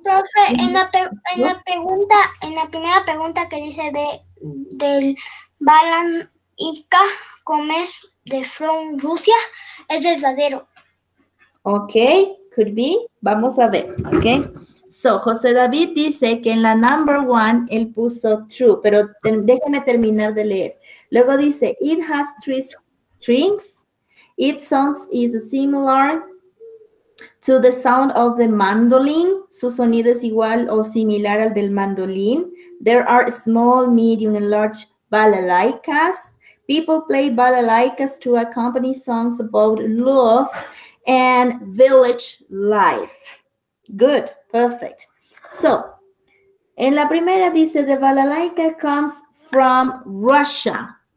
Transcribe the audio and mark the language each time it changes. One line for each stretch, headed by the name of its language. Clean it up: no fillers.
Spanish: Profe, en la primera pregunta que dice del balalaika, ¿cómo es de from Rusia? Es verdadero.
English: Ok, could be.
Spanish: Vamos a ver,
English: ok.
Spanish: So, José David dice que en la
English: number one
Spanish: él puso true, pero déjame terminar de leer. Luego dice,
English: it has 3 strings. It sounds is similar to the sound of the mandolin.
Spanish: Su sonido es igual o similar al del mandolin.
English: There are small, medium and large balalaikas. People play balalaikas to accompany songs about love and village life. Good, perfect. So,
Spanish: en la primera dice,
English: the balalaika comes from Russia.